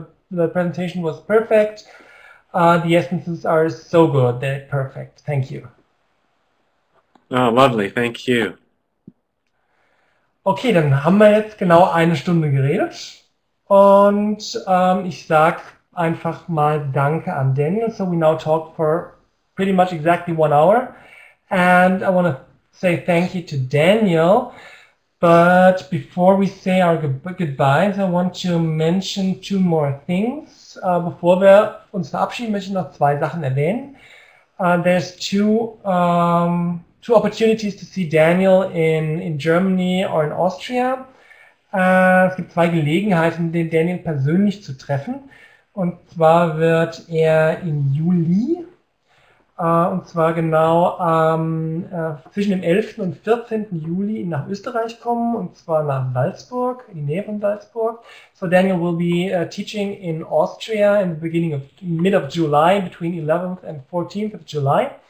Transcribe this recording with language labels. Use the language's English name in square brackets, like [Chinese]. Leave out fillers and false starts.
[English] The presentation was perfect. The essences are so good. They're perfect. Thank you. Oh, lovely. Thank you. [German] Okay, dann haben wir jetzt genau eine Stunde geredet. Und ich sag einfach mal Danke an Daniel. [English] So we now talked for pretty much exactly 1 hour. And I want to say thank you to Daniel. But before we say our goodbyes, I want to mention two more things. [German] Bevor wir uns verabschieden, möchte ich noch zwei Sachen erwähnen. [English] There's two opportunities to see Daniel in Germany or in Austria. [German] Es gibt zwei Gelegenheiten, den Daniel persönlich zu treffen. Und zwar wird er im Juli, und zwar genau zwischen dem 11. und 14. Juli nach Österreich kommen, und zwar nach Salzburg, in die Nähe von Salzburg. [English] So Daniel will be teaching in Austria in the beginning of mid of July, between 11th and 14th of July.